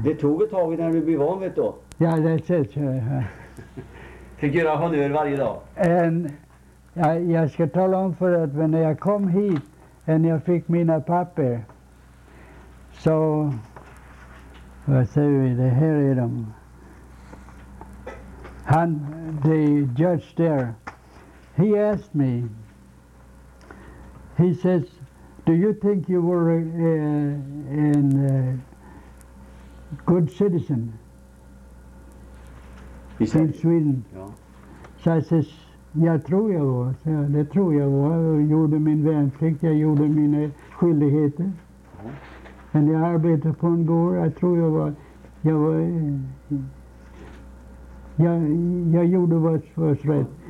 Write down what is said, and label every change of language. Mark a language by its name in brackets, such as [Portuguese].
[Swedish] Det tog ett tag innan du blev van, vet du? Ja, [English] that's it. [Swedish] Fick göra honör varje dag? Jag ska tala om för att när jag kom hit och jag fick mina papper, så Vad säger vi? Det här är de. [English] Han, the judge there, he asked me, he says, do you think you were a good citizen in Sweden? Yeah. So I says, [Swedish] jag tror jag var, så det tror jag var. Jag gjorde min värnplikt, jag gjorde mina skyldigheter. Men jag arbetade på en gård, jag tror jag var, jag var, jag gjorde vad som var rätt.